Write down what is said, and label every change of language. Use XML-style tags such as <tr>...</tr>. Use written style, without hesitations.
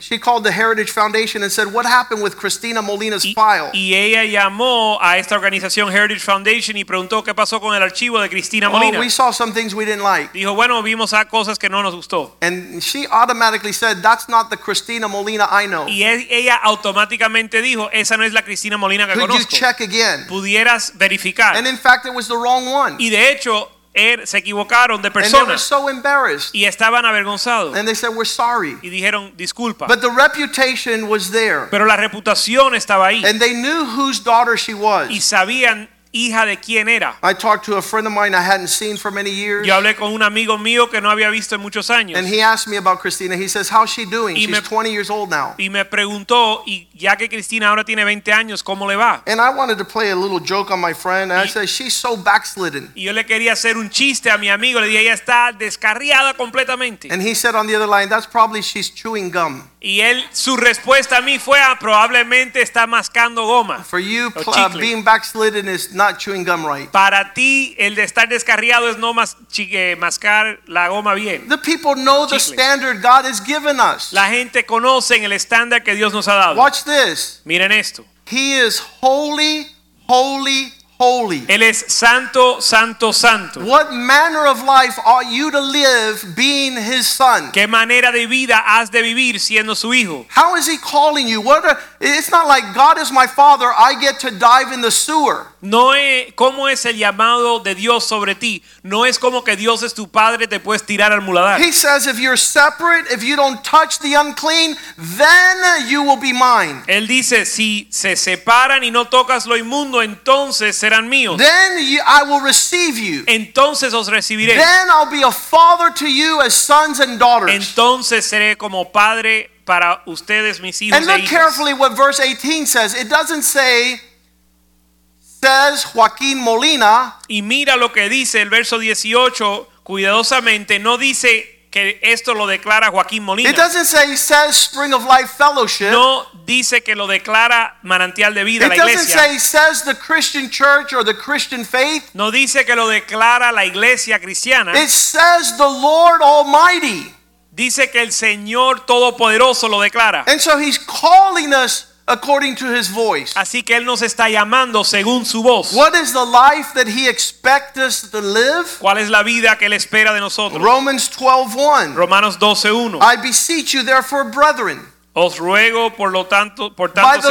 <en>She called the Heritage Foundation and said, "What happened with Cristina Molina's file?"</en> <es>Y ella llamó a esta organización Heritage Foundation y preguntó qué pasó con el archivo de Cristina Molina.</es> <en>Well, we saw some things we didn't like.</en> <es>Dijo, bueno, vimos a cosas que no nos gustó.</es> <en>And she automatically said, "That's not the Cristina Molina I know."</en> <es>Y ella automáticamente dijo, esa no es la Cristina Molina que conozco.</es> <en>Could you check again?</en> <es>Pudieras verificar.</es> <en>And in fact, it was the wrong one.</en> <es>Y de hecho, se equivocaron de persona.</es> <en>And they were so embarrassed.</en> <es>Y estaban avergonzados.</es> <en>And they said, we're sorry.</en> <es>Y dijeron, disculpa.</es> <en>But the reputation was there.</en> <es>Pero la reputación estaba ahí.</es> <en>And they knew whose daughter she was.</en> <es>Y sabían hija de quién era.</es> <en>I talked to a friend of mine I hadn't seen for many years.</en> <es>Yo hablé con un amigo mío que no había visto en muchos años.</es> <en>And he asked me about Cristina. He says, how's she doing? She's 20 years old now.</en> <es>Y me preguntó, y ya que Cristina ahora tiene 20 años, ¿cómo le va?</es> <en>And I wanted to play a little joke on my friend. And I said, she's so backslidden.</en> <es>Y yo le quería hacer un chiste a mi amigo. Le dije, ella está descarriada completamente.</es> <en>And he said on the other line, that's probably she's chewing gum.</en> <es>Y él, su respuesta a mí fue, probablemente está mascando goma.</es> <en>For you, being backslidden is not chewing gum right.</en> <es>Para ti, el de estar descarriado es no mascar la goma bien.</es> <en>The people know the standard God has given us.</en> <es>La gente conoce el estándar que Dios nos ha dado.</es> <en>Watch this.</en> <es>Miren esto.</es> <en>He is holy, holy, holy.</en> <es>Él es santo, santo, santo.</es> <en>What manner of life ought you to live being his son?</en> <es>¿Qué manera de vida has de vivir siendo su hijo?</es> <en>How is he calling you? It's not like God is my father, I get to dive in the sewer.</en> <es>No es cómo es el llamado de Dios sobre ti. No es como que Dios es tu padre, te puedes tirar al muladar.</es> <en>He says if you're separate, if you don't touch the unclean, then you will be mine.</en> <es>Él dice si se separan y no tocas lo inmundo, entonces serán míos.</es> <en>Then I will receive you.</en> <es>Entonces os recibiré.</es> <en>Then I'll be a father to you as sons and daughters.</en> <es>Entonces seré como padre para ustedes, mis hijos.</es> <en>And look carefully what verse 18 says. It doesn't say Joaquín Molina.</en> <es>Y mira lo que dice el verso 18 cuidadosamente. No dice que esto lo declara Joaquín Molina.</es> <en>It doesn't say says Spring of Life Fellowship.</en> <es>No dice que lo declara Manantial de Vida,</es> <en>it</en> <es>la iglesia.</es> <en>It doesn't say says the Christian Church or the Christian Faith.</en> <es>No dice que lo declara la iglesia cristiana.</es> <en>It says the Lord Almighty.</en> <es>Dice que el Señor Todopoderoso lo declara.</es> <en>And so he's calling us according to his voice.</en> <es>Así que él nos está llamando según su voz.</es> <en>What is the life that he expects us to live?</en> <es>¿Cuál es la vida que él espera de nosotros?</es> <en>Romans 12:1.</en> <es>Romanos 12:1.</es> <en>I beseech you therefore, brethren,</en> <es>os ruego por lo tanto, por tantos hermanos,</es>